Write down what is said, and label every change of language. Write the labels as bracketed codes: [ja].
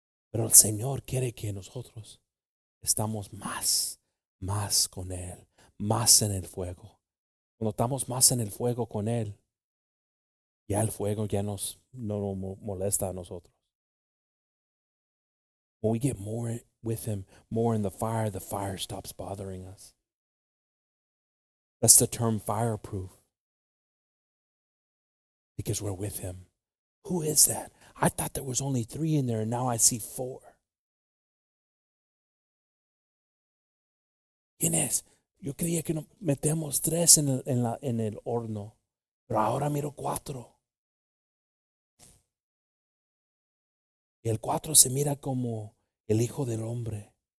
[es] Pero el Señor quiere que nosotros estamos más con Él. Más en el fuego. Cuando estamos más en el fuego con Él, ya el fuego ya no nos molesta a nosotros. [en] When we get more with Him, more in the fire stops bothering us. That's the term fireproof. Because we're with Him. Who is that? I thought there was only three in there, and now I see four. [es] ¿Quién es? Yo creía que metemos tres en el horno, pero ahora miro cuatro. Y el cuatro se mira como el Hijo del Hombre.